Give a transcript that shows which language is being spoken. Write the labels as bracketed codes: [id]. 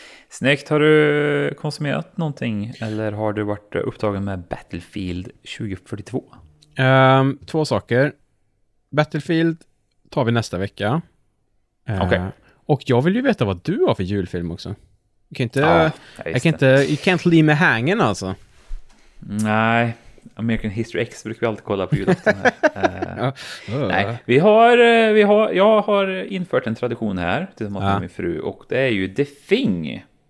[sv] Snyggt, har du konsumerat någonting eller har du varit upptagen med Battlefield 2042? Två saker. Battlefield tar vi nästa vecka. Okej. Och jag vill ju veta vad du har för julfilm också. [en] You can't leave me hanging [sv] alltså. Nej. American History X brukar vi alltid kolla på julafton här. Nej, jag har infört en tradition här tillsammans med min fru, och det är ju The Thing.